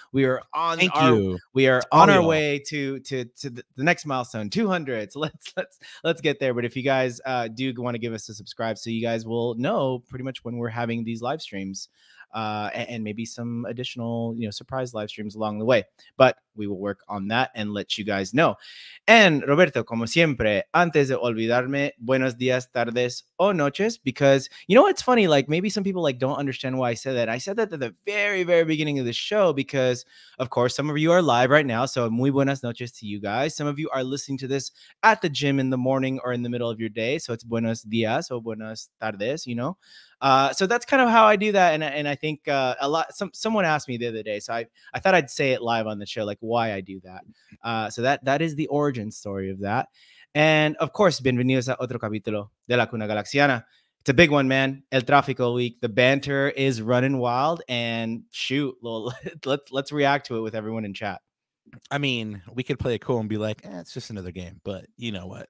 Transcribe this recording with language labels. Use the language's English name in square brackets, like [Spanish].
[English] We are on our way to the next milestone, 200. So let's get there. But if you guys do want to give us a subscribe, so you guys will know pretty much when we're having these live streams, and maybe some additional, you know, surprise live streams along the way. But we will work on that and let you guys know. [Spanish] And Roberto, como siempre, antes de olvidarme, buenos días, tardes, o noches. [English] Because, you know, it's funny, like maybe some people like don't understand why I said that. I said that at the very, very beginning of the show because, of course, some of you are live right now. So [Spanish] muy buenas noches [English] to you guys. Some of you are listening to this at the gym in the morning or in the middle of your day. So it's [Spanish] buenos días o buenas tardes, [English] you know. So that's kind of how I do that. And I think someone asked me the other day, so I thought I'd say it live on the show, like why I do that. So that is the origin story of that. And of course, [Spanish] bienvenidos a otro capítulo de La Cuna Galaxiana. [English] It's a big one, man. El Tráfico week. The banter is running wild, and shoot, let's react to it with everyone in chat. I mean, we could play it cool and be like, it's just another game, but you know what?